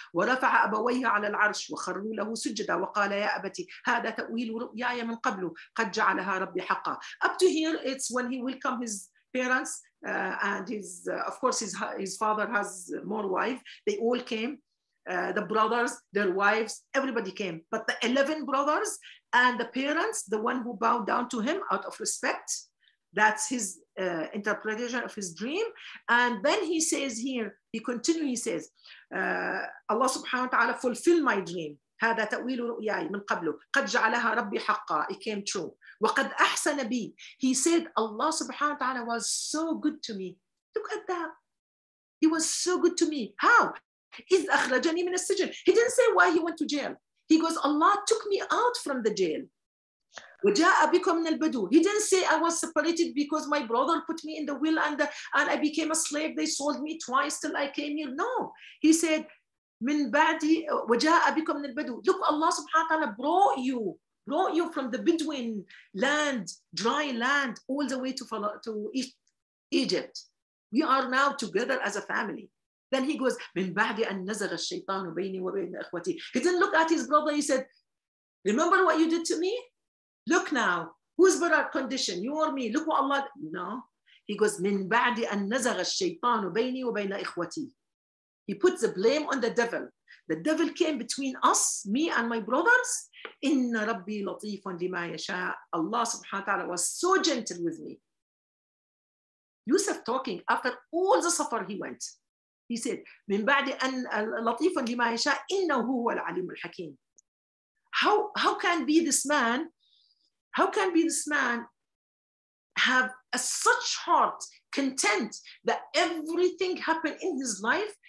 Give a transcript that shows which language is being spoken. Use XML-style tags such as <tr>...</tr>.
<ar>ورفع أبويه على العرش وخروا له سجدا وقال يا أبتي هذا تأويل رؤياي من قبل قد جعلها ربي حقا.</ar> <en>Up to here, it's when he welcomed his parents, and his, of course, his father has more wife. They all came the brothers, their wives, everybody came. But the 11 brothers and the parents, the one who bowed down to him out of respect, that's his interpretation of his dream. And then he says here, he continues, he says, Allah subhanahu wa ta'ala fulfill my dream.</en> <ar>هذا تأويل رؤياي من قبله. قد جعلها ربي حقا.</ar> <en>It came true.</en> <ar>وقد أحسن بي.</ar> <en>He said, Allah subhanahu wa ta'ala was so good to me. Look at that. He was so good to me. How?</en> <ar>إذ أخرجني من السجن.</ar> <en>He didn't say why he went to jail. He goes, Allah took me out from the jail.</en> <ar>وجاء بكم من البدو.</ar> <en>He didn't say I was separated because my brother put me in the will and I became a slave. They sold me twice till I came here. No. He said,</en> <ar>من بعد وجاء بكم من البدو.</ar> <en>Look, Allah subhanahu wa ta'ala brought you from the Bedouin land, dry land, all the way to Egypt. We are now together as a family. Then he goes,</en> <ar>من بعد أن نزغ الشيطان بيني وبين أخوتي.</ar> <en>He didn't look at his brother. He said, remember what you did to me? Look now, who's better condition, you or me? Look what Allah, no. He goes,</en> <ar>من بعد أن نزغ الشيطان بيني وبين أخوتي.</ar> <en>He put the blame on the devil. The devil came between us, me and my brothers.</en> <ar>إِنَّ رَبِّي لَطِيفٌ لِمَا يَشَاءُ.</ar> <en>Allah subhanahu wa ta'ala was so gentle with me. Yusuf talking after all the suffer he went. He said,</en> <ar>مِن بَعْدِ أَنَّ لَطِيفٌ لِمَا يَشَاءُ إِنَّهُ هُوَ الْعَلِيمُ الْحَكِيمُ.</ar> <en>How can be this man? How can be this man have a such heart, content that everything happened in his life?</en>